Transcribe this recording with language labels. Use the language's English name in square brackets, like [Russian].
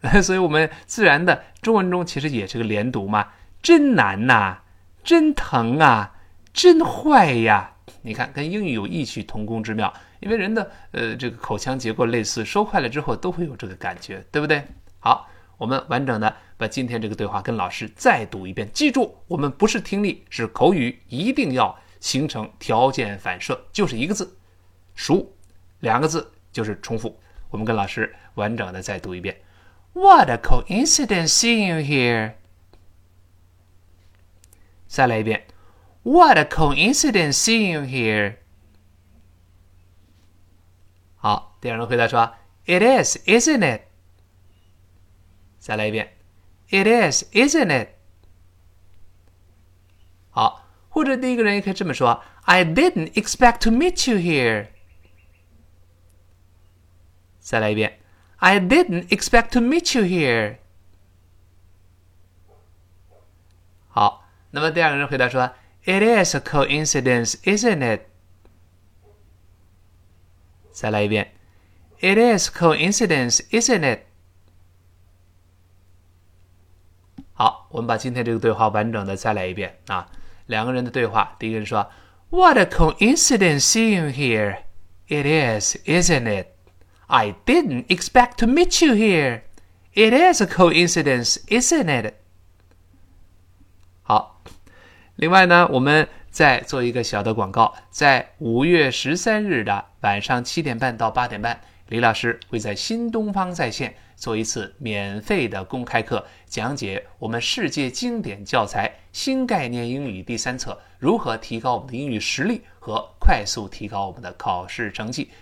[Chinese] 所以我们自然的中文中其实也是个连读嘛，真难呐，真疼啊，真坏呀，你看跟英语有异曲同工之妙，因为人的这个口腔结构类似，说快了之后都会有这个感觉，对不对？好，我们完整的把今天这个对话跟老师再读一遍。记住，我们不是听力，是口语，一定要形成条件反射，就是一个字熟，两个字就是重复。我们跟老师完整的再读一遍。 [English] What a coincidence seeing you here. [Chinese] 再来一遍。 [English] What a coincidence seeing you here. [Chinese] 好，第二人回答说 [English] It is, isn't it? [Chinese] 再来一遍 [English] It is, isn't it? [Chinese] 好，或者第一个人也可以这么说 [English] I didn't expect to meet you here. [Chinese] 再来一遍 [English] I didn't expect to meet you here. [Chinese] 好，那么第二个人回答说 [English] It is a coincidence, isn't it? [Chinese] 再来一遍 [English] It is coincidence, isn't it? [Chinese] 好，我们把今天这个对话完整的再来一遍啊。两个人的对话，第一个人说 [English] What a coincidence seeing you here. It is, isn't it? I didn't expect to meet you here. It is a coincidence, isn't it? [Chinese] 好，另外呢，我们再做一个小的广告，在5月13日的晚上7:30到8:30，李老师会在新东方在线做一次免费的公开课，讲解我们世界经典教材新概念英语第三册，如何提高我们的英语实力和快速提高我们的考试成绩。